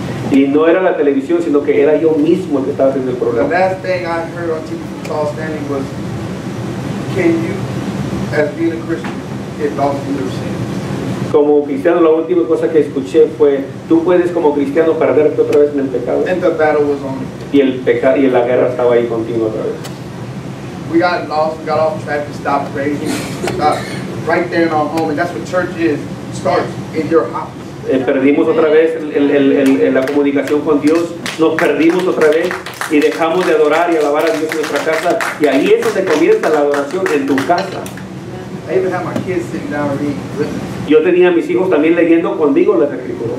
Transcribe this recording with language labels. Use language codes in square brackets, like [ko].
[es] Y no era la televisión, sino que era yo mismo el que estaba haciendo el programa. [en] The last thing I heard on TV from Charles Stanley was, can you, as being a Christian, get lost in your sin? [es] Como cristiano, la última cosa que escuché fue, tú puedes como cristiano perderte otra vez en el pecado. [en] And the battle was on. [es] Y el pecado y la guerra estaba ahí contigo otra vez. [en] We got lost, we got off track, we stopped praying. Right there in our home, and that's what church is, starts in your house. [es] Perdimos otra vez la comunicación con Dios, nos perdimos otra vez y dejamos de adorar y alabar a Dios en nuestra casa. Y ahí es donde comienza la adoración, en tu casa. [en] I even had my kids sitting down reading. [es] Yo tenía a mis hijos también leyendo conmigo las escrituras.